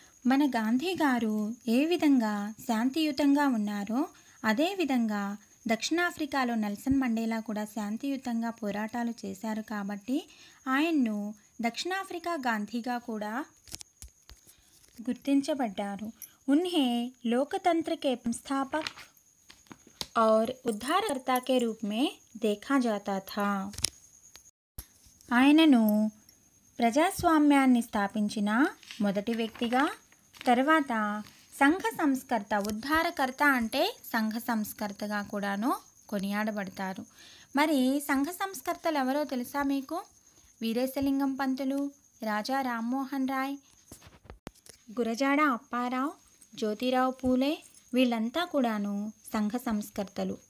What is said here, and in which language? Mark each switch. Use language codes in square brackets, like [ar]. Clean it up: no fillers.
[te] మన గాంధీ గారు ఏ విధంగా శాంతియుతంగా ఉన్నారో అదే విధంగా దక్షిణాఫ్రికాలో నెల్సన్ మండేలా కూడా శాంతియుతంగా పోరాటాలు చేశారు। కాబట్టి ఆయన్ను దక్షిణాఫ్రికా గాంధీగా కూడా गुर्तिंचबड्डारु। [hi] उन्हें लोकतंत्र के संस्थापक और उद्धारकर्ता के रूप में देखा जाता था। [te] आयनను ప్రజాస్వామ్యాన్ని స్థాపించిన మొదటి వ్యక్తిగా, తర్వాత సంఘ సంస్కర్త ఉద్ధారకర్త అంటే సంఘ సంస్కర్తగా కూడాను కొనియాడబడతారు। మరి సంఘ సంస్కర్తలు ఎవరో తెలుసా మీకు? వీరేశలింగం పంతులు, రాజా రామ్మోహన్ రాయ్, గురజాడ అప్పారావు, జ్యోతిరావు పూలే వీళ్ళంతా కూడాను సంఘ సంస్కర్తలు।